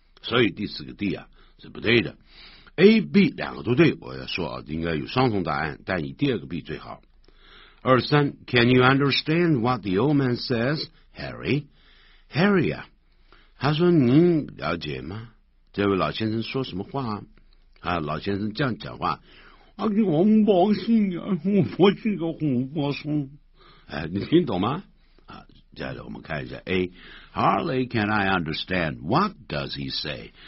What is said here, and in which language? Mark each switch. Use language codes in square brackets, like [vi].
[zh] 所以第四个 D 啊是不对的。A、B 两个都对，我要说应该有双重答案，但以第二个 B 最好。二三 [en] ，Can you understand what the old man says, Harry? [zh] Harry 啊，他说您了解吗？这位老先生说什么话啊？老先生这样讲话，啊，我不高兴啊，我是个红花松。哎，你听懂吗？啊，接着我们看一下 A。 [en] Hardly can I understand. What does he say?